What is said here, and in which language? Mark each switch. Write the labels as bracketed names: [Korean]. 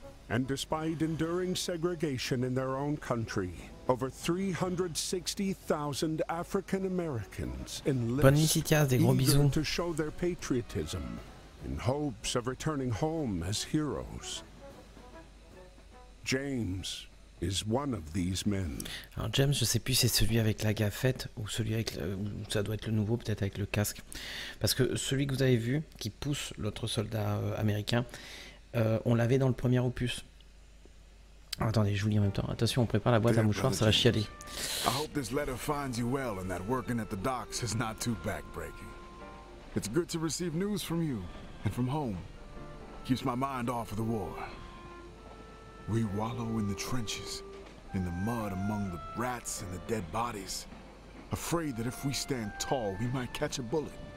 [English] And despite enduring segregation in their own country, over 360,000 African Americans enlisted, eager to show their patriotism in hopes of returning home as heroes. James is one of these men. [French] Alors James, je sais plus si c'est celui avec la gaffette ou celui avec ça doit être le nouveau, peut-être avec le casque. Parce que celui que vous avez vu qui pousse l'autre soldat américain, on l'avait dans le premier opus. Attendez, je vous lis en même temps. Attention, on prépare la boîte à mouchoirs, ça va chialer. [English] I hope this letter finds you well and that working at the docks is not too backbreaking. It's good to receive news from you and from home. Keeps my mind off of the war. We wallow in the trenches, in the mud among the rats and the dead bodies, afraid that if we stand tall, we might catch a bullet.